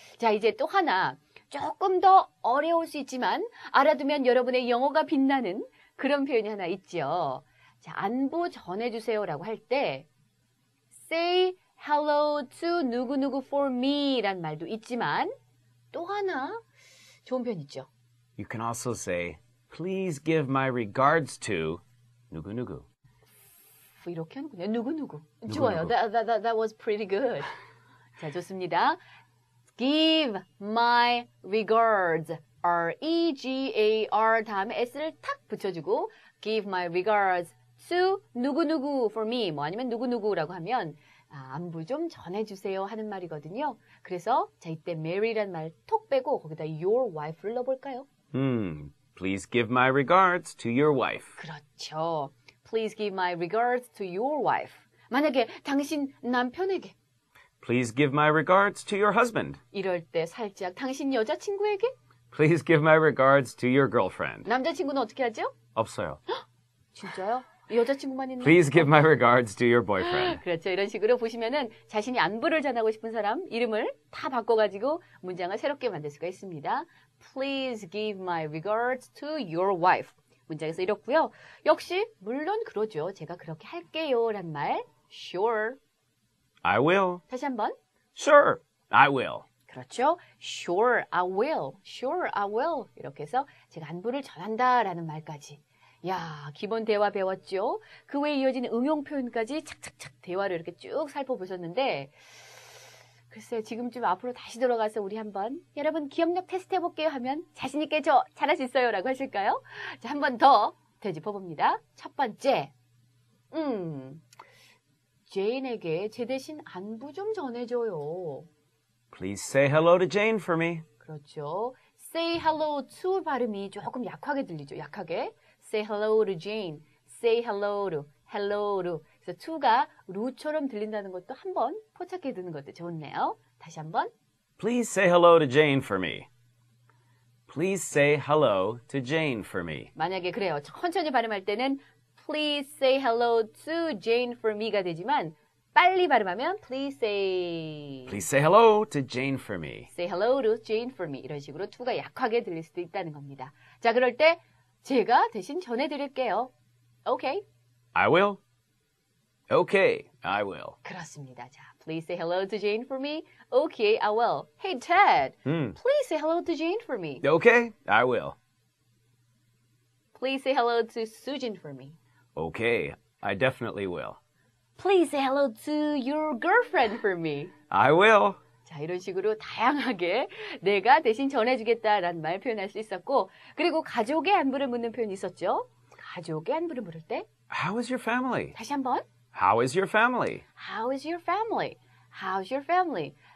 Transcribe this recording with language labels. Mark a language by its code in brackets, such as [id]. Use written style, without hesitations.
[ko] 자, 이제 또 하나 조금 더 어려울 수 있지만 알아두면 여러분의 영어가 빛나는 그런 표현이 하나 있죠. 자, 안부 전해주세요 라고 할 때 [en] Say hello to [ko] 누구누구 [en] for me [ko] 라는 말도 있지만 또 하나 좋은 표현 있죠. [en] You can also say please give my regards to 누구누구. [ko] 이렇게 하는군요. 누구누구. 좋아요. [en] That was pretty good. [ko] 자, 좋습니다. [en] Give my regards. [ko] R-E-G-A-R 다음에 S를 탁 붙여주고 [en] Give my regards to [ko] 누구누구 [en] for me. [ko] 뭐 아니면 누구누구라고 하면 아, 안부 좀 전해주세요 하는 말이거든요. 그래서 자, 이때 Mary란 말 톡 빼고 거기다 your wife를 넣어볼까요? [en] Please give my regards to your wife. [ko] 그렇죠. [en] Please give my regards to your wife. [ko] 만약에 당신 남편에게. [en] Please give my regards to your husband. [ko] 이럴 때 살짝 당신 여자친구에게. [en] Please give my regards to your girlfriend. [ko] 남자친구는 어떻게 하죠? 없어요. 진짜요? 여자친구만 있는. [en] Please give my regards to your boyfriend. [ko] 그렇죠. 이런 식으로 보시면은 자신이 안부를 전하고 싶은 사람 이름을 다 바꿔가지고 문장을 새롭게 만들 수가 있습니다. [en] Please give my regards to your wife. [ko] 문장에서 이렇고요. 역시 물론 그러죠. 제가 그렇게 할게요. 라는 말. Sure. [en] I will. [ko] 다시 한번. [en] Sure. I will. [ko] 그렇죠. [en] Sure. I will. Sure. I will. [ko] 이렇게 해서 제가 안부를 전한다. 라는 말까지. 야, 기본 대화 배웠죠. 그 외에 이어진 응용 표현까지 착착착 대화를 이렇게 쭉 살펴보셨는데 글쎄 지금쯤 앞으로 다시 돌아가서 우리 한번 여러분 기억력 테스트 해볼게요 하면 자신있게 저 잘할 수 있어요 라고 하실까요? 자, 한 번 더 되짚어봅니다. 첫 번째, 제인에게 제 대신 안부 좀 전해줘요. [en] Please say hello to Jane for me. [ko] 그렇죠. [en] Say hello to [ko] 발음이 조금 약하게 들리죠. 약하게. [en] Say hello to Jane. Say hello to. Hello to. [ko] 그래서 to가 로처럼 들린다는 것도 한번 포착해 두는 것도 좋네요. 다시 한번. [en] Please say hello to Jane for me. Please say hello to Jane for me. [ko] 만약에 그래요. 천천히 발음할 때는 [en] Please say hello to Jane for me [ko] 가 되지만 빨리 발음하면 [en] please say. Please say hello to Jane for me. Say hello to Jane for me. [ko] 이런 식으로 to가 약하게 들릴 수도 있다는 겁니다. 자, 그럴 때 제가 대신 전해드릴게요. [en] Okay. I will. Okay, I will. [ko] 그렇습니다. [en] 자, please say hello to Jane for me. Okay, I will. Hey, Ted. Please say hello to Jane for me. Okay, I will. Please say hello to Sujin for me. Okay, I definitely will. Please say hello to your girlfriend for me. I will. [ko] 자, 이런 식으로 다양하게 내가 대신 전해주겠다라는 말 표현할 수 있었고, 그리고 가족의 안부를 묻는 표현이 있었죠. 가족의 안부를 물을 때 [en] How is your family? [ko] 다시 한번 [en] How is your family? How is your family? How's your family?